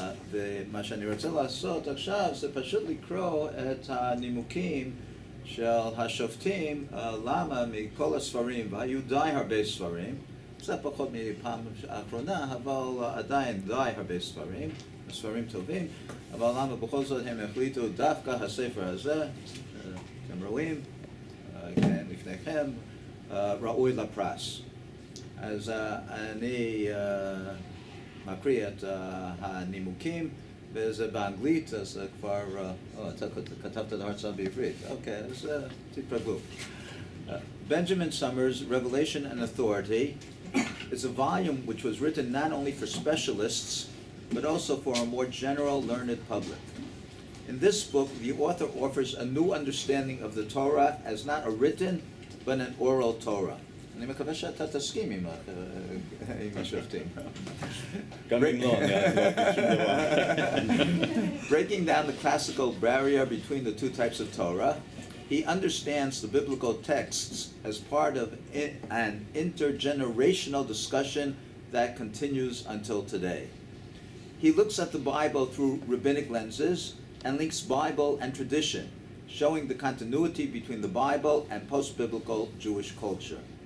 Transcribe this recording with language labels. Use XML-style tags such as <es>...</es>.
<he>ומה שאני רוצה לעשות עכשיו זה פשוט לקרוא את הנימוקים של השופטים, למה מכל הספרים, והיו די הרבה ספרים, זה פחות מפעם האחרונה, אבל עדיין די הרבה ספרים, ספרים טובים, אבל למה בכל זאת הם החליטו דווקא הספר הזה, אתם רואים, כן, לפניכם, ראוי לפרס. אז אני מקריא את הנימוקים, וזה באנגלית, אז כבר, אתה כתבת את ההרצאה בעברית, אוקיי, אז תתרגלו.</he> <en>Benjamin Summer's Revelation and Authority is a volume which was written not only for specialists, but also for a more general learned public. In this book, the author offers a new understanding of the Torah as not a written, but an oral Torah.</en> <he>אני מקווה שאתה תסכים עם השופטים. גם אם לא, אני אגיד שום דבר.</he> <en>Breaking down the classical barrier between the two types of Torah, he understands the biblical texts as part of an intergenerational discussion that continues until today. He looks at the Bible through rabbinic lenses, and links Bible and tradition, showing the continuity between the Bible and post-biblical Jewish culture.</en>